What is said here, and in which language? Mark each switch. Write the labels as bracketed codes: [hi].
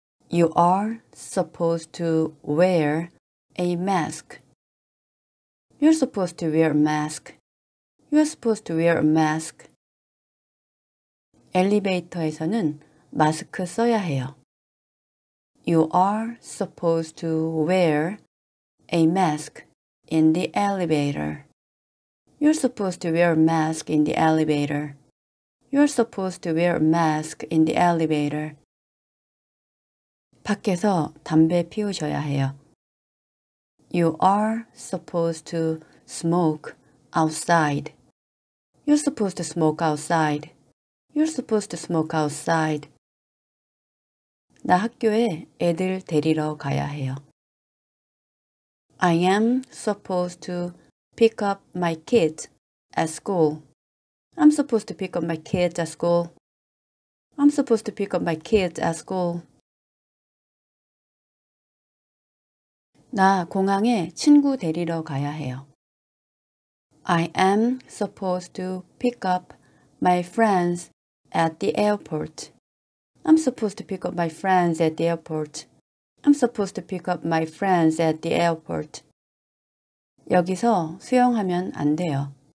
[en] You are supposed to wear a mask. You're supposed to wear a mask. You're supposed to wear a mask. [ko] 엘리베이터에서는 마스크 써야 해요. [en] You are supposed to wear a mask in the elevator. You're supposed to wear a mask in the elevator. You're supposed to wear a mask in the elevator. [ko] 밖에서 담배 피우셔야 해요. [en] You are supposed to smoke outside. You're supposed to smoke outside. You're supposed to smoke outside. [ko] 나 학교에 애들 데리러 가야 해요. [en] I am supposed to pick up my kids at school. I'm supposed to pick up my kids at school. I'm supposed to pick up my kids at school. [ko] 나 공항에 친구 데리러 가야 해요. [en] I am supposed to pick up my friends at the airport. I'm supposed to pick up my friends at the airport. I'm supposed to pick up my friends at the airport. [ko] 여기서 수영하면 안 돼요.